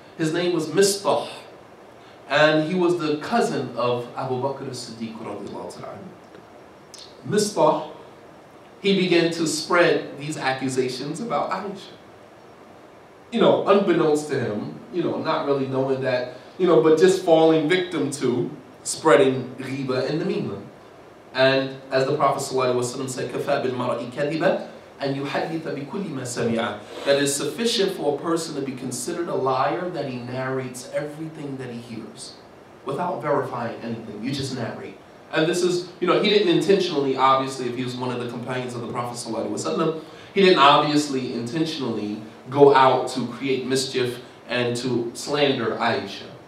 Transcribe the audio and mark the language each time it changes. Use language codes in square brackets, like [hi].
[en] His name was Mistah, and he was the cousin of Abu Bakr as-Siddiq radiallahu ta'ala. Mistah, he began to spread these accusations about Aisha. You know, unbeknownst to him, you know, not really knowing that, you know, but just falling victim to spreading ghibah in the meanwhile. And as the Prophet ﷺ said, [ar] كَفَى بِالْمَرْءِ كَذِبًا أَنْ يُحَدِّثَ بِكُلِّ مَا سَمِعَ. [en] That is sufficient for a person to be considered a liar that he narrates everything that he hears without verifying anything. You just narrate. And this is, you know, he didn't intentionally, obviously, if he was one of the companions of the Prophet ﷺ, he didn't obviously intentionally go out to create mischief and to slander Aisha.